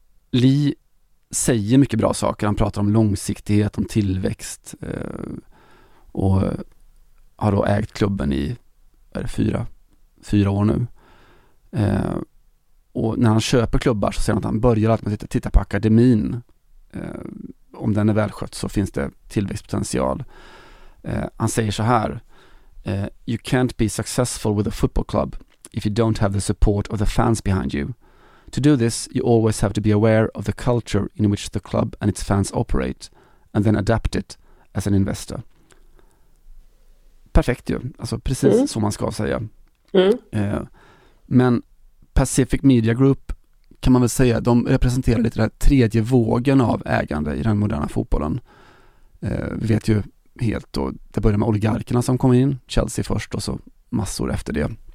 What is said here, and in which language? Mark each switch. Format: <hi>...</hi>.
<sv>Li säger mycket bra saker. Han pratar om långsiktighet, om tillväxt, och har då ägt klubben i fyra år nu. Och när han köper klubbar så ser han att han börjar alltid med att titta på akademin. Om den är välskött så finns det tillväxtpotential. Han säger så här:</sv> <en>you can't be successful with a football club if you don't have the support of the fans behind you. To do this, you always have to be aware of the culture in which the club and its fans operate and then adapt it as an investor.</en> <sv>Perfekt ju, alltså precis som man ska säga. Men Pacific Media Group, kan man väl säga, de representerar lite den här tredje vågen av ägande i den moderna fotbollen. Vi vet ju helt då, det började med oligarkerna som kom in, Chelsea först och så massor efter det.</sv>